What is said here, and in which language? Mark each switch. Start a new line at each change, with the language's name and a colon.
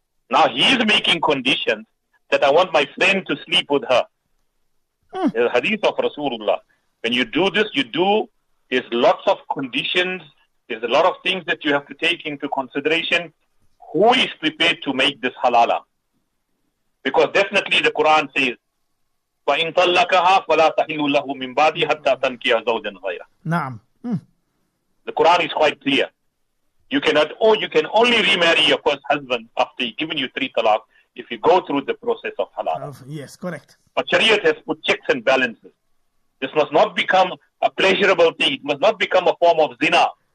English: Now he's making conditions that I want my friend to sleep with her. There's a hadith of Rasulullah. When you do this, you do, there's lots of conditions, there's a lot of things that you have to take into consideration. Who is prepared to make this halala? Because definitely the Quran says,
Arabic: وَإِن طَلَّقَهَا فَلَا تَحِلُّ لَهُ مِنْ بَعْدِ حَتَّى تَنْكِيَ زَوْجًا غَيْرًا.
English: The Quran is quite clear. You cannot, oh, you can only remarry your first husband after he's given you three talaq if you go through the process of halal. Yes, correct. But Shariat has put checks and balances. This must not become a pleasurable thing. It must not become a form of zina.